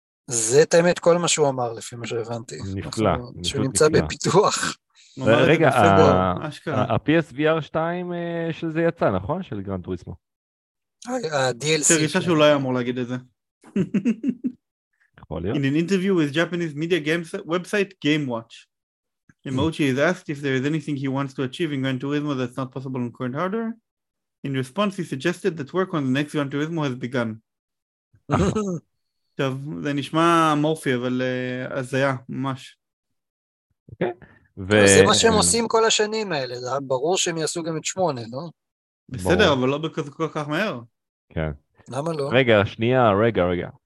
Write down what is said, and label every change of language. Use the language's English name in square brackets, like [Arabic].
[Hebrew] זה את האמת כל מה שהוא אמר לפי מה שהבנתי. נפלא. שהוא נמצא בפיתוח. רגע, ה-PSVR 2 של זה יצא, נכון? של גרן טוריזמו. ה-DLC. תרגישה שהוא לא היה אמור להגיד את זה. [English] In an interview with Japanese media games website GameWatch, Yamauchi is asked if there is anything he wants to achieve in Gran Turismo that's not possible on current hardware. In response, he suggested that work on the next Gran Turismo has begun. [Hebrew] טוב, זה נשמע מורפי, אבל אז היה, ממש. זה מה שהם עושים כל השנים האלה, ברור שהם יעשו גם את 8, לא? בסדר, אבל לא בכזה כל כך מהר. כן. למה לא? רגע, שנייה, רגע.